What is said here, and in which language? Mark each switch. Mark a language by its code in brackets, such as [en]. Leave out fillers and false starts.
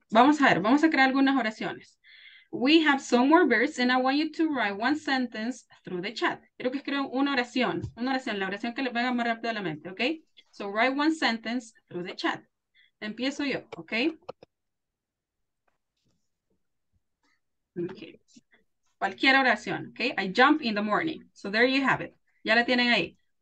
[es] Vamos a ver, vamos a crear algunas oraciones. [en] We have some more verbs and I want you to write one sentence through the chat. [es] Quiero que escriban una oración, la oración que les venga más rápido a la mente, okay? [en] So write one sentence through the chat. [es] Empiezo yo, [en] okay? Okay. [es] Cualquier oración, [en] okay? I jump in the morning. So there you have it. [es] Ya la tienen ahí.